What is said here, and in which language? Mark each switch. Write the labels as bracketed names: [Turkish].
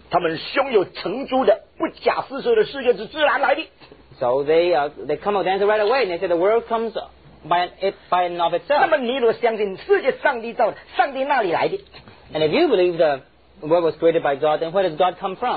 [Chinese] 他们胸有成竹的，不假思索的，世界是自然来的。 [English] So they come out the answer right away, and they said, the world comesby and of itself. [Chinese] 那么你如果相信世界上帝造的，上帝哪里来的？ [English] And if you believe the world was created by God, then where does God come from?